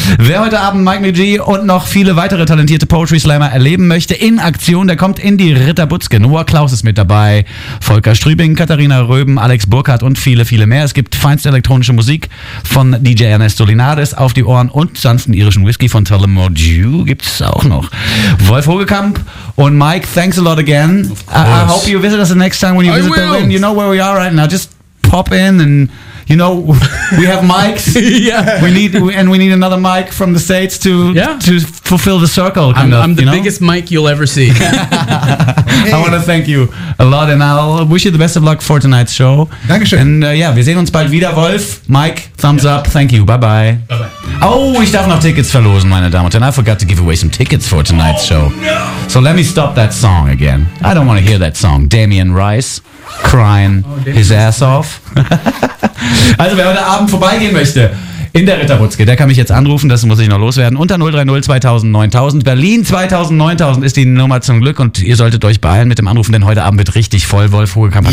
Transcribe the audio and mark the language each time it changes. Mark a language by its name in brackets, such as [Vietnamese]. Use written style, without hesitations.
[German] Wer heute Abend Mike McGee und noch viele weitere talentierte Poetry Slammer erleben möchte in Aktion, der kommt in die Ritter Butzke. Noah Klaus ist mit dabei, Volker Strübing, Katharina Röben, Alex Burkhardt und viele, viele mehr. Es gibt feinste elektronische Musik von DJ Ernesto Linares auf die Ohren und sanften irischen Whisky von Tullamore gibt es auch noch. [English] Wolf Hogekamp und Mike, thanks a lot again. I hope you visit us the next time when you visit Berlin. You know where we are right now. Just pop in and you know, we have mics. we need another mic from the States to fulfill the circle. I'm the biggest mic you'll ever see. Hey. I want to thank you a lot, and I'll wish you the best of luck for tonight's show. [German] Dankeschön. [English] And [German] wir sehen uns bald wieder, [English] Wolf. Mike, thumbs up. Thank you. Bye bye. [German] Oh, ich darf noch Tickets verlosen, meine Damen und Herren. [English] I forgot to give away some tickets for tonight's show. No. So let me stop that song again. I don't want to hear that song. Damien Rice crying his ass off. [German] Also wer heute Abend vorbeigehen möchte in der Ritterbutzke, der kann mich jetzt anrufen, das muss ich noch loswerden, unter 030 2000 9000, Berlin 2000 9000 ist die Nummer zum Glück, und ihr solltet euch beeilen mit dem Anrufen, denn heute Abend wird richtig voll, Wolf Hohekamp hat